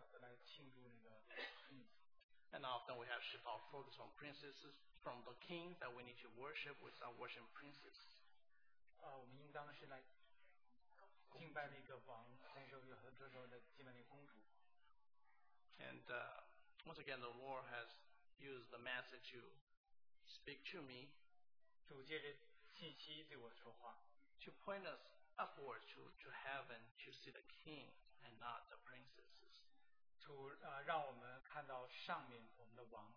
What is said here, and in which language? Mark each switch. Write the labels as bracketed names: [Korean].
[Chinese] 我在奥兰多住了很多年，我在那个迪士尼乐园旁边，也有好像我们在那里有的时候那个世界上来庆祝那个。And [English] often we have shift our focus from princesses, from the king that we need to worship, we start worshiping princes. [Chinese] 我们应当是来敬拜那个王，但是有的时候在敬拜那个公主。And [English] once again, the Lord has used the message to speak to me, [Chinese] 主借着信息对我说话, [English] to point us upward to heaven to see the king and not the princesses. [Chinese] 主, 让我们看到上面我们的王,